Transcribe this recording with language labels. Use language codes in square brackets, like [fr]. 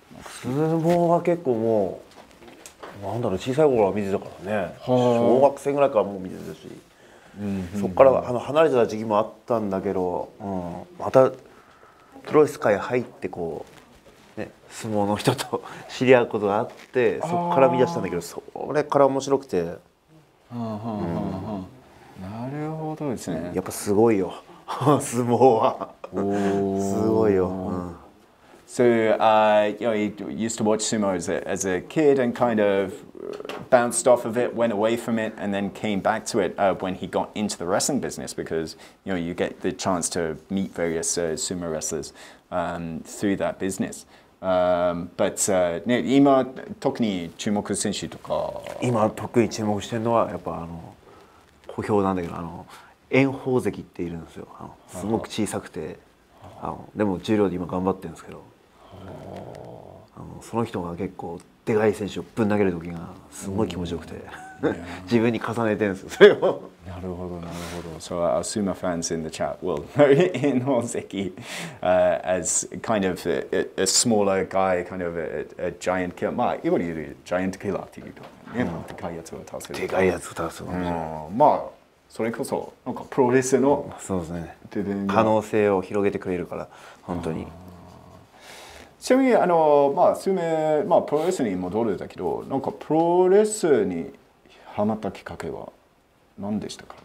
[ja] 相撲は結構もうなんだろう小さい頃は見てたからね小学生ぐらいからもう見てたし、うん、そこからは離れてた時期もあったんだけど、うん、またプロレス界入ってこう、ね、相撲の人と知り合うことがあってそこから見出したんだけどそれから面白くて、うんうん、なるほどですねやっぱすごいよ相撲はすごいよ、うん [en] So, you know, he used to watch sumo as a kid and kind of bounced off of it, went away from it, and then came back to it when he got into the wrestling business because, you know, you get the chance to meet various sumo wrestlers through that business. [ja] But, ね、今特に注目選手とか今特に注目してるのはやっぱ小兵なんだけど炎鵬関っているんですよすごく小さくてでも重量で今頑張ってるんですけどその人が結構でかい選手をぶん投げる時がすごい気持ちよくて、自分に重ねてるんですよ。それをなるほどなるほど。 [en] So our sumo fans in the chat will know Inon Zeki as kind of a smaller guy, kind of a giant killer. [ja] まあ今で言うジャイアントキラーっていうと、ね、でかいやつを倒せる。でかいやつを倒す。まあそれこそなんかプロレスの、そうですね。可能性を広げてくれるから本当に。ちなみにまあ数名、まあ、プロレスに戻るんだけど、なんかプロレスにハマったきっかけは何でしたか？